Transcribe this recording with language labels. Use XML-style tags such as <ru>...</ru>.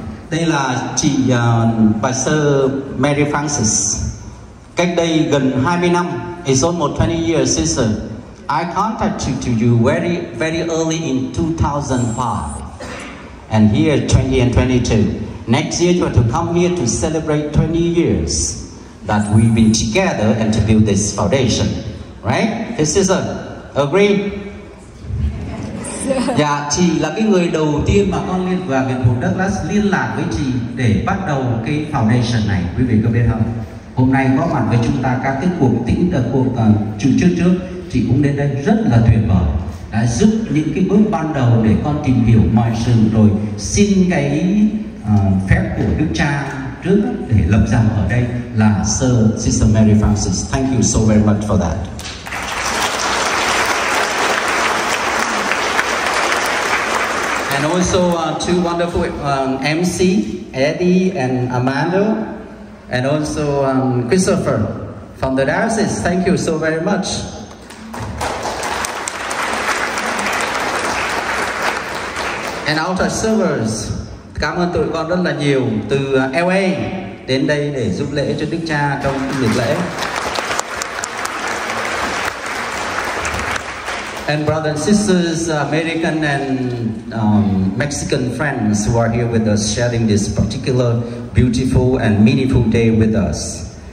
<vi>Đây là chị bà sơ Mary Frances. Cách đây gần 20 năm,</vi> <en>it's almost 20 years, Sister. I contacted to you very, very early in 2005. And here, 20 and 22. Next year, you are to come here to celebrate 20 years that we've been together and to build this foundation, right? This is a agree.</en> <vi>Dạ, chị là cái người đầu tiên mà con liên và Việt Hùng Douglas liên lạc với chị để bắt đầu cái foundation này, quý vị có biết không? Hôm nay có mặt với chúng ta các cái cuộc tĩnh tâm, cuộc trước, chị cũng đến đây rất là tuyệt vời, đã giúp những cái bước ban đầu để con tìm hiểu mọi sự rồi xin cái phép của Đức Cha trước để lập giảng ở đây là Sir Sister Mary Frances.</vi> <en>Thank you so very much for that. And also two wonderful MC, Eddie and Amanda, and also Christopher from the diocese. Thank you so very much. And outer servers,</en> <vi>cảm ơn tụi con rất là nhiều từ LA đến đây để giúp lễ cho Đức Cha trong dịp lễ.</vi> <en>And brothers and sisters, American and Mexican friends who are here with us sharing this particular beautiful and meaningful day with us.</en>